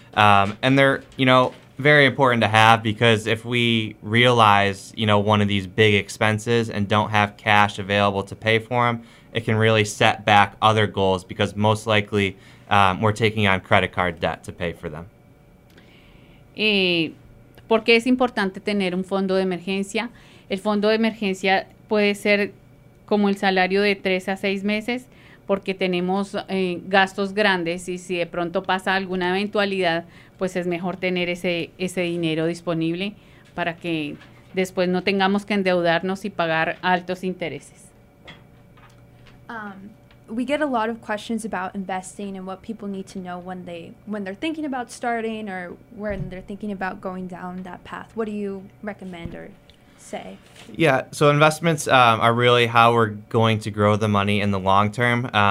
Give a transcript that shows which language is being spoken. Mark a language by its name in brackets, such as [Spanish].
[English] And they're, you know, very important to have, because if we realize, you know, one of these big expenses and don't have cash available to pay for them, it can really set back other goals, because most likely we're taking on credit card debt to pay for them. [Spanish] ¿Por qué es importante tener un fondo de emergencia? El fondo de emergencia puede ser como el salario de 3 a 6 meses, porque tenemos gastos grandes, y si de pronto pasa alguna eventualidad, pues es mejor tener ese dinero disponible para que después no tengamos que endeudarnos y pagar altos intereses. [English] We get a lot of questions about investing and what people need to know when they're thinking about starting, or when they're thinking about going down that path. What do you recommend or say? Yeah, so investments are really how we're going to grow the money in the long term.